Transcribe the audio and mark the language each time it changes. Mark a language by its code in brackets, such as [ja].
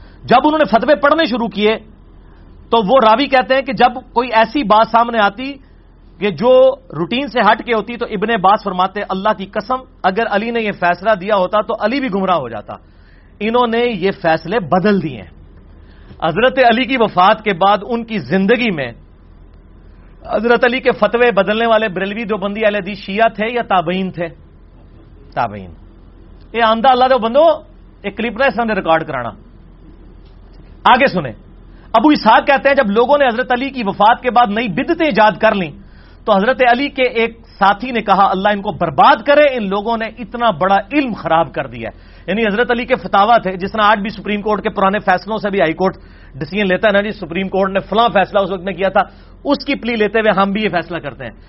[ur] جب انہوں نے فتوے پڑھنے شروع کیے تو وہ راوی کہتے ہیں کہ جب کوئی ایسی بات سامنے آتی کہ جو روٹین سے ہٹ کے ہوتی تو ابن عباس فرماتے اللہ کی قسم اگر علی نے یہ فیصلہ دیا ہوتا تو علی بھی گمراہ ہو جاتا، انہوں نے یہ فیصلے بدل دیے ہیں. حضرت علی کی وفات کے بعد ان کی زندگی میں حضرت علی کے فتوے بدلنے والے بریلوی دیوبندی اہل حدیث شیعہ تھے یا تابعین تھے؟ تابعین. [pa] اے آندہ اللہ دے بندو, ایک کلپ نہ اساں دے ریکارڈ کرانا. [ur] آگے سنیں. ابو اسحاق کہتے ہیں جب لوگوں نے حضرت علی کی وفات کے بعد نئی بدعتیں ایجاد کر لیں تو حضرت علی کے ایک ساتھی نے کہا اللہ ان کو برباد کرے, ان لوگوں نے اتنا بڑا علم خراب کر دیا ہے. یعنی حضرت علی کے فتاوا تھے, جس طرح آج بھی سپریم کورٹ کے پرانے فیصلوں سے بھی ہائی کورٹ ڈسیزن لیتا ہے نا جی, سپریم کورٹ نے فلاں فیصلہ اس وقت میں کیا تھا اس کی پلی لیتے ہوئے ہم بھی یہ فیصلہ کرتے ہیں.